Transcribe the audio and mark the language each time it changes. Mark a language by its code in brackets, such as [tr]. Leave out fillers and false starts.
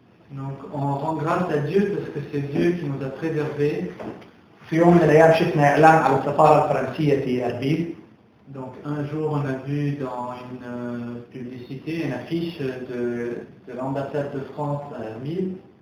[fr] Donc on rend grâce à Dieu parce que c'est Dieu qui nous a préservés. [ar] في يوم من الأيام شفنا إعلان على السفارة الفرنسية في أربيل. [fr] Donc un jour on a vu dans une publicité une affiche de l'ambassade de France à Erbil.